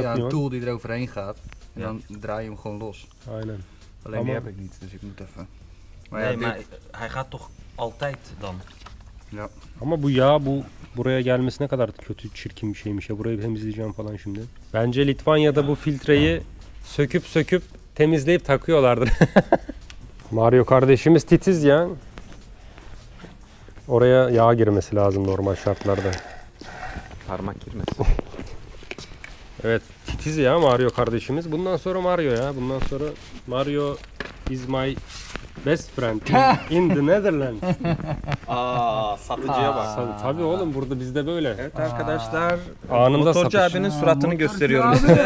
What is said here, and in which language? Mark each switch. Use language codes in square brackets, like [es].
[nl] ja, een tool die er overheen gaat en yeah. Dan draai je hem gewoon los. [tr] Aynen. [nl] Alleen ama... die heb ik niet, dus ik moet even. Maar nee, ja, maar dit... hij gaat toch altijd dan. Ja. [tr] Ama bu yağ bu buraya gelmesi ne kadar kötü, çirkin bir şeymiş ya. Burayı temizleyeceğim falan şimdi. Bence Litvanya'da bu filtreyi söküp temizleyip takıyorlardır. Mario kardeşimiz titiz ya. Oraya yağ girmesi lazım normal şartlarda. Parmak girmesi. Evet, titiz ya Mario kardeşimiz. Bundan sonra Mario ya. Bundan sonra [en] Mario is my best friend in the Netherlands. [tr] Aa, satıcıya bak. Aa. Tabii oğlum, burada bizde böyle. Evet arkadaşlar. Anında satış. Motorcu abinin suratını gösteriyorum.